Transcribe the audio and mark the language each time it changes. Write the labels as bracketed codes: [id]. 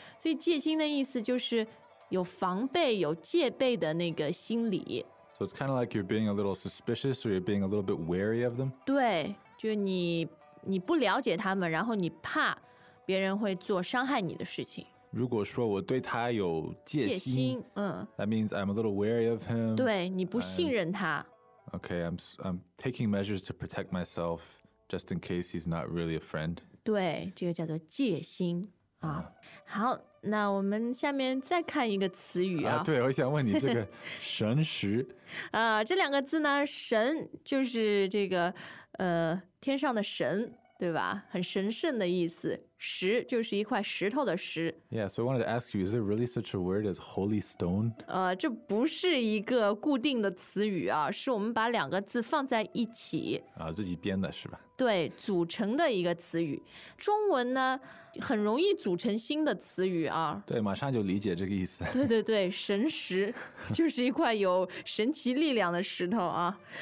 [zh] 所以戒心的意思就是有防备有戒备的那个心理。 [en] So it's kind of like you're being a little suspicious or you're being a little bit wary of them. [zh] 对，就你不了解他们，然后你怕别人会做伤害你的事情。如果说我对他有戒心， [en] that means I'm a little wary of him. [zh] 对，你不信任他。 [en] Okay, I'm taking measures to protect myself just in case he's not really a friend. [zh] 对，这个叫做戒心。好，那我们下面再看一个词语啊。对，我想问你这个神识。这两个字呢，神就是这个天上的神，对吧？很神圣的意思。石就是一块石头的石。 [en] Yeah, so I wanted to ask you, is there really such a word as holy stone? [zh] 这不是一个固定的词语啊，是我们把两个字放在一起。自己编的是吧？对，组成的一个词语。中文呢，很容易组成新的词语啊。对，马上就理解这个意思。对对对，神石就是一块有神奇力量的石头啊。